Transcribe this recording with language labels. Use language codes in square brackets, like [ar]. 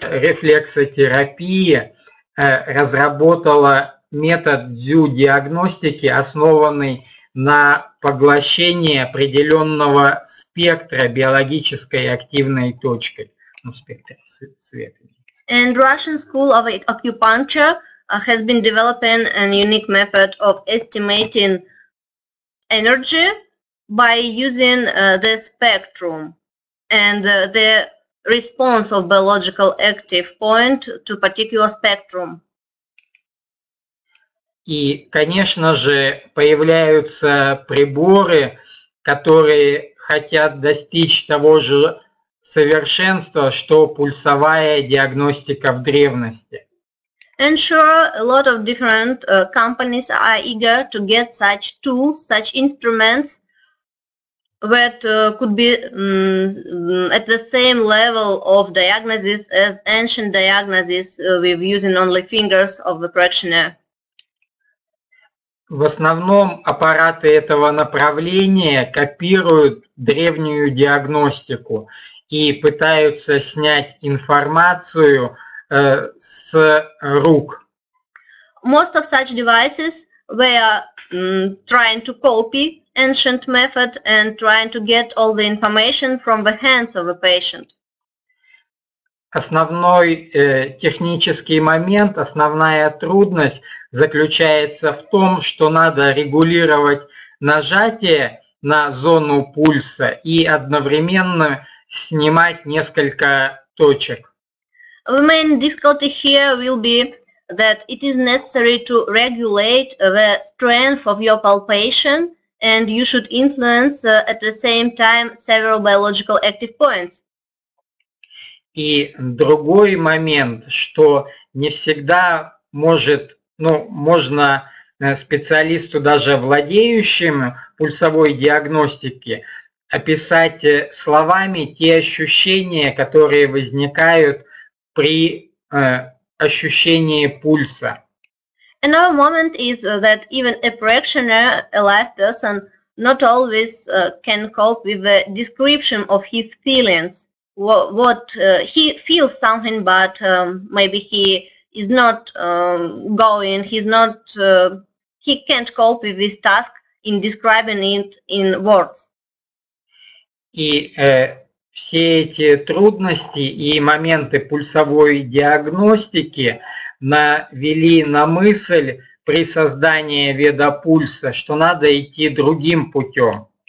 [ru] Рефлексотерапия разработала метод дзю-диагностики, основанный на поглощении определенного спектра биологической активной точкой. Ну, спектр света. [en] And Russian school of acupuncture has been developing a unique method of estimating energy by using the spectrum and the response of biological active point to particular spectrum. [ru] И, конечно же, появляются приборы, которые хотят достичь того же совершенства, что пульсовая диагностика в древности. [en] And sure, a lot of different companies are eager to get such tools, such instruments that could be at the same level of diagnosis as ancient diagnosis with using only fingers of the practitioner. [ru] В основном аппараты этого направления копируют древнюю диагностику и пытаются снять информацию с рук. [en] Most of such devices were trying to copy ancient method and trying to get all the information from the hands of a patient. [ru] Основной технический момент, основная трудность заключается в том, что надо регулировать нажатие на зону пульса и одновременно снимать несколько точек. [en] The main difficulty here will be that it is necessary to regulate the strength of your palpation, and you should influence at the same time several biological active points. [ru] И другой момент, что не всегда может, ну, можно специалисту, даже владеющему пульсовой диагностикой, описать словами те ощущения, которые возникают при ощущении пульса. [en] Another moment is that even a practitioner, a live person, not always can cope with the description of his feelings. He feels something, but maybe he is not going, he can't cope with this task in describing it in words. [ru] И все эти трудности и моменты пульсовой диагностики навели на мысль при создании ведопульса, что надо идти другим путем.